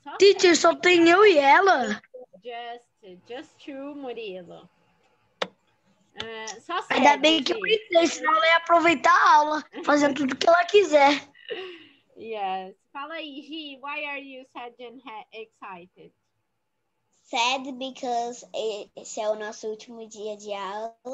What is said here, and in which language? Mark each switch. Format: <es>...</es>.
<en>so teacher, sad.</en> <pt>Só tem eu e ela.</pt> <en>Just you, Murilo.</en> <pt>Só</pt> <en>sad,</en> <pt>ainda bem Gigi. Que eu pensei, senão ela ia aproveitar a aula, fazendo tudo que ela quiser.</pt> <en>Yes.</en> <pt>Fala aí, Gigi,</pt> <en>why are you sad and excited? Sad because</en> <pt>esse é o nosso último dia de aula.</pt>